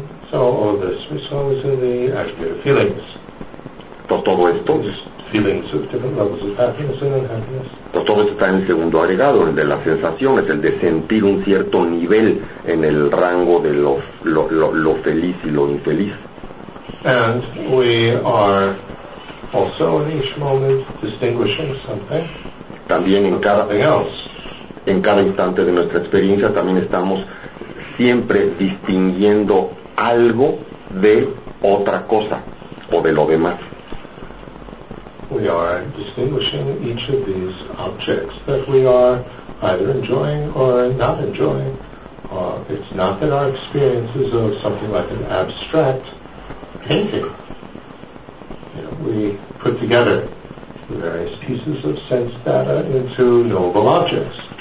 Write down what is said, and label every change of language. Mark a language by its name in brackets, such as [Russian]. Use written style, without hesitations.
[English] So all this results in the aggregated feelings. [Spanish] Pues todo esto es... [English] feelings of different levels of happiness and unhappiness. [Spanish] Pues todo esto está en el segundo agregado, el de las sensaciones, el de sentir un cierto nivel en el rango de lo feliz y lo infeliz. [English] And we are also in each moment distinguishing something. [Spanish] También en cada [English] else. [Spanish] En cada instante de nuestra experiencia también estamos siempre distinguiendo algo de otra cosa o de lo demás. [English] We are distinguishing each of these objects that we are either enjoying or not enjoying. It's not that our experience is of something like an abstract painting. You know, we put together various pieces of sense data into knowable objects.